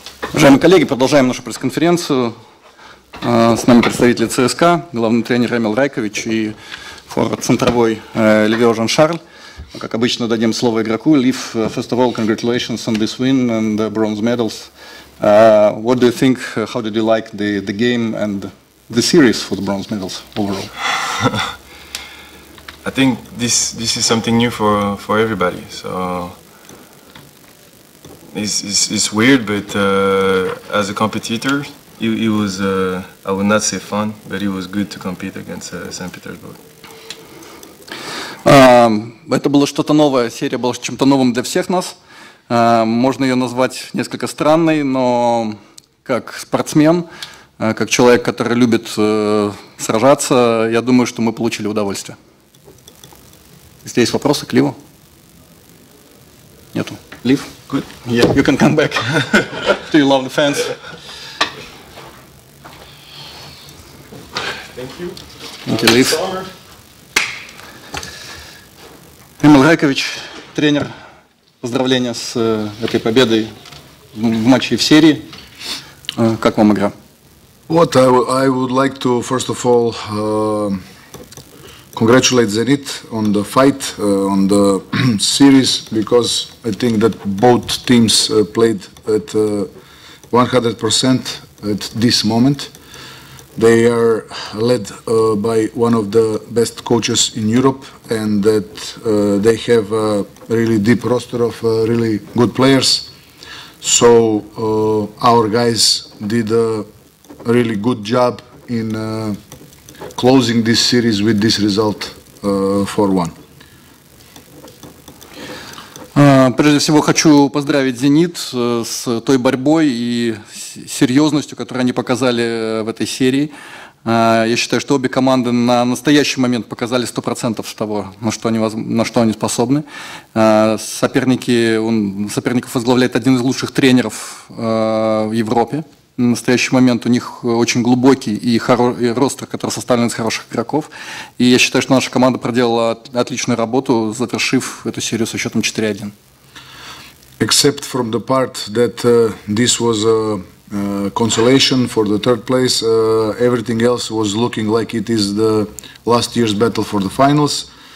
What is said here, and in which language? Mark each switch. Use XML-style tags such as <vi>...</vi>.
<ru>Уважаемые коллеги, продолжаем нашу пресс-конференцию. С нами представители ЦСКА, главный тренер Эмил Райкович и центровой Левио Жан-Шарль. Как обычно, дадим слово игроку.</ru> <en>Лив, first of all, congratulations on this win and the bronze medals. What do you think, how did you like the game and the series for the bronze medals overall? I think this is something new for everybody. So it's weird, but as a competitor, it was, I would not say fun, but it was good to compete against St. Petersburg.</en> <ru>Это было что-то новое, серия была чем-то новым для всех нас. Можно ее назвать несколько странной, но как спортсмен, как человек, который любит сражаться, я думаю, что мы получили удовольствие. Если есть вопросы к Ливу? Нету. Лив?</ru> <en>Good. Yeah. You can come back. Do you love the fans? Thank you,</en> <ru>Лив. Эмил Райкович, тренер, поздравления с этой победой в матче и в серии. Как вам игра?</ru> <en>What I would like to first of all congratulate Zenit on the fight, on the series, because I think that both teams played at 100% at this moment. They are led by one of the best coaches in Europe, and that they have a really deep roster of really good players. So our guys did a really good job in closing this series with this result 4-1.</en> <ru>Прежде всего хочу поздравить Зенит с той борьбой и серьезностью, которую они показали в этой серии. Я считаю, что обе команды на настоящий момент показали 100% того, на что они способны. Соперников возглавляет один из лучших тренеров в Европе. На настоящий момент у них очень глубокий и ростер, который составлен из хороших игроков. И я считаю, что наша команда проделала отличную работу, завершив эту серию со счетом 4-1.</ru> <en>Except from the part that this was a consolation for the third place, everything else was looking like it is the last year's battle for the finals.</en>